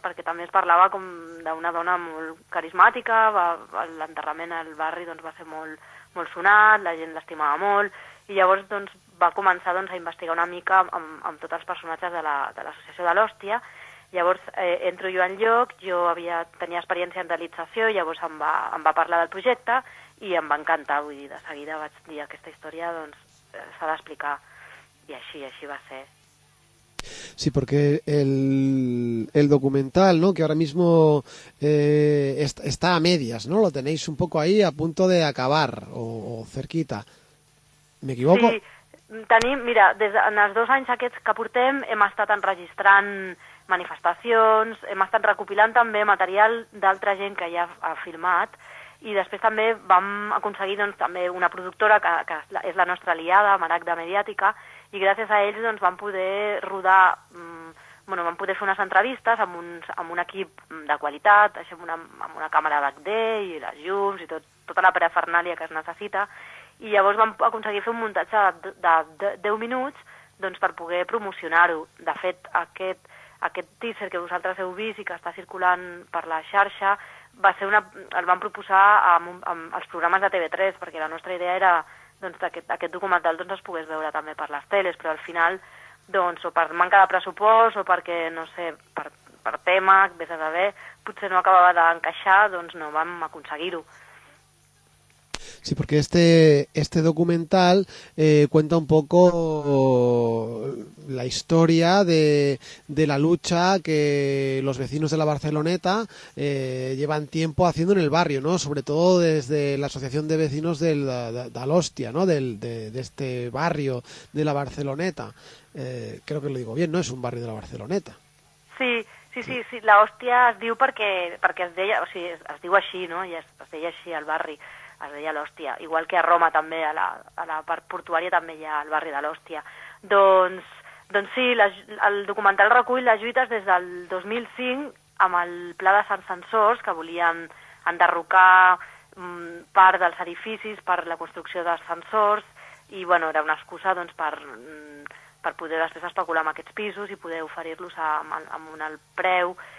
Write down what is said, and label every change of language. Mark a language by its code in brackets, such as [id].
[ca] Perquè també es parlava com d'una dona molt carismàtica, l'enterrament al barri doncs va ser molt, molt sonat, la gent l'estimava molt, i llavors doncs va començar doncs a investigar una mica amb tots els personatges de l'associació de l'Hòstia. Llavors entro jo en lloc, jo tenia experiència en realització, llavors em va parlar del projecte i em va encantar, vull dir, de seguida vaig dir aquesta història doncs s'ha d'explicar, i així va ser. [es] Sí, porque el documental, ¿no? Que ahora mismo está a medias, ¿no? Lo tenéis un poco ahí a punto de acabar o cerquita. ¿Me equivoco? [ca] Sí, mira, en els dos anys aquests que portem hem estat enregistrant manifestacions, hem estat recopilant també material d'altra gent que ja ha filmat, i després també vam aconseguir doncs, també una productora que és la nostra aliada, Maragda Mediàtica, i gràcies a ells doncs vam poder rodar, bueno, vam poder fer unes entrevistes amb un equip de qualitat, així, amb una càmera d'HD i les llums i tota la parafernàlia que es necessita, i llavors vam aconseguir fer un muntatge de 10 minuts doncs per poder promocionar-ho. De fet, aquest teaser que vosaltres heu vist i que està circulant per la xarxa va ser el van proposar amb els programes de TV3, perquè la nostra idea era doncs aquest documental doncs es pogués veure també per les teles, però al final doncs o per manca de pressupost o perquè no sé, per tema, vés a saber, potser no acabava d'encaixar, doncs no vam aconseguir-ho. [es] Sí, porque este documental cuenta un poco la historia de la lucha que los vecinos de la Barceloneta llevan tiempo haciendo en el barrio, ¿no? Sobre todo desde la Asociación de Vecinos de l'Hòstia, ¿no? De este barrio de la Barceloneta. Creo que lo digo bien, ¿no? Es un barrio de la Barceloneta. [ca] Sí, Sí, sí, sí, la hòstia es diu perquè es deia, o sigui, es diu així, no? I es deia així al barri, es deia l'hòstia. Igual que a Roma també, a la part portuària també hi ha el barri de l'hòstia. Doncs sí, el documental recull les lluites des del 2005 amb el pla de Sant Censors, que volien enderrocar part dels edificis per la construcció d'ascensors, i bueno, era una excusa doncs per poder després especular amb aquests pisos i poder oferir-los amb un alt preu.